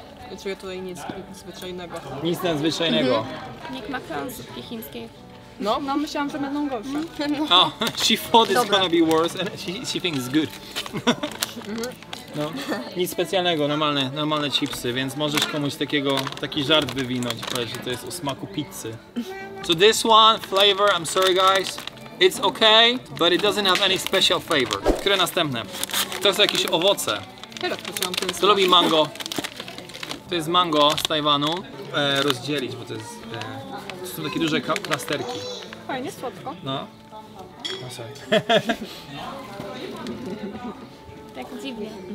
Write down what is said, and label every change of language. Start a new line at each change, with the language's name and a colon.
Polish: Nie czuję tutaj nic nadzwyczajnego. Nic nadzwyczajnego. Nie ma chińskiej. No, myślałam, że będą gorsze. No.
English: Oh, she thought it's gonna be worse and she thinks it's good.
Polish: No, nic specjalnego, normalne chipsy, więc możesz komuś taki żart wywinąć, że to jest o smaku pizzy.
English: So this one, flavor, I'm sorry guys, it's okay, but it doesn't have any special flavor.
Polish: Które następne? To są jakieś owoce. Teraz poczułam ten smak. To lubi mango. To jest mango z Tajwanu. Rozdzielić, bo to jest. To są takie duże klasterki. Fajnie, słodko. No. No
English: sorry.
Polish: Tak dziwnie.